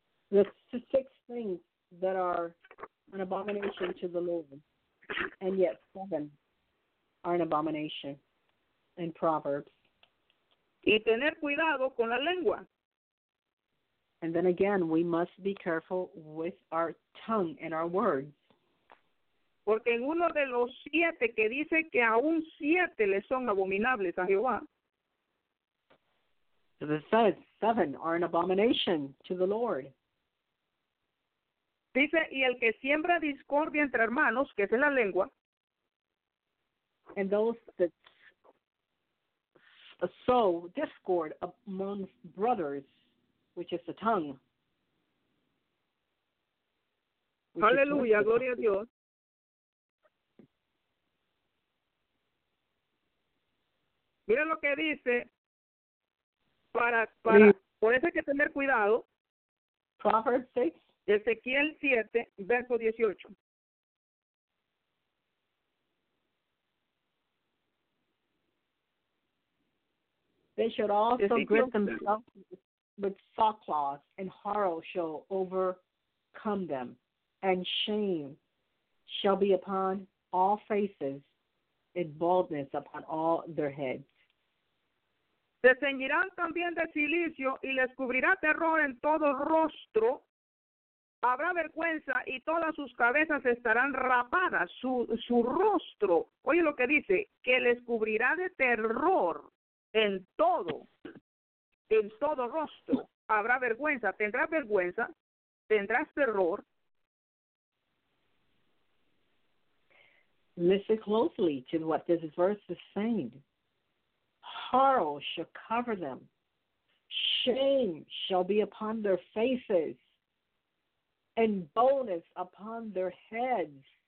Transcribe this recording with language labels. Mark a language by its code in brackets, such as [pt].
[en] The six things that are an abomination to the Lord, and yet seven are an abomination in Proverbs. [es] Y tener cuidado con la lengua. [en] And then again, we must be careful with our tongue and our words. [es] Porque en uno de los siete que dice que aún siete le son abominables a Jehová. [en] So it says seven are an abomination to the Lord. [es] Dice, y el que siembra discordia entre hermanos, que es la lengua. [en] And those that sow discord among brothers. Which is the tongue. [es] Hallelujah, gloria a Dios. Mira lo que dice. Por eso hay que tener cuidado. [en] Proverbs 6. [es] Ezequiel 7, verso 18. [en] They should also grip themselves with sawcloths, and horror shall overcome them, and shame shall be upon all faces, and baldness upon all their heads. [es] Se ceñirán también de cilicio, y les cubrirá terror en todo rostro. habrá vergüenza y todas sus cabezas estarán rapadas, su rostro, oye lo que dice, que les cubrirá de terror en todo rostro, habrá vergüenza, tendrás vergüenza, tendrás terror. [en] Listen closely to what this verse is saying. Horror shall cover them. Shame shall be upon their faces and boldness upon their heads.